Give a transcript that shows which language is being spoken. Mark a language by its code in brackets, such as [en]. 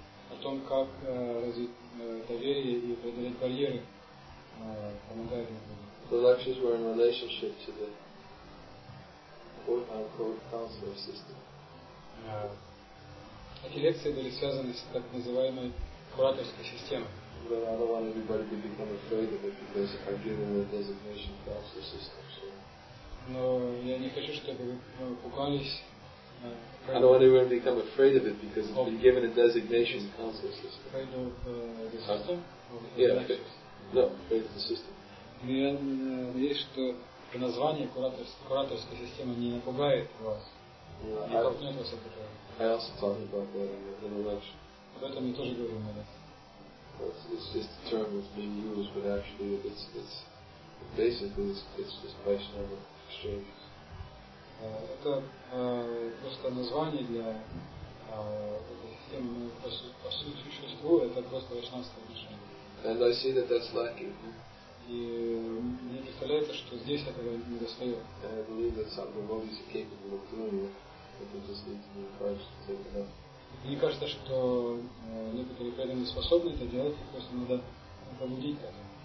[ru] О том, как развить доверие и преодолеть барьеры, помогая друг другу. [en] The lectures were in relationship to the quote-unquote counselor system. [ru] Эти лекции были связаны с так называемой кураторской системой. [en] But I don't want everybody to become afraid of it because I've given the designation counselor system. So. [ru] Но я не хочу, чтобы вы пугались. [en] I don't want anyone to become afraid of it because it's been given a designation counselor system. Afraid of the system? Afraid of the system. [ru] Но я надеюсь, что название кураторской системы не напугает вас. Не толкнет вас от этого. [en] I also talk about that in a lecture. [ru] Об этом я тоже говорю на лекции. [en] It's just a term that's being used, but actually it's basically it's just Vaishnava exchange. [ru] Это просто название для этой системы, но по сути существу это просто вайшнавское отношение. [en] And I see that that's lacking. [ru] И мне представляется, что здесь этого не достает. [en] And I believe that some devotees are capable of doing it, but they just need to be encouraged to take it up. [ru] Мне кажется, что некоторые преданные способны это делать, их просто надо побудить к этому.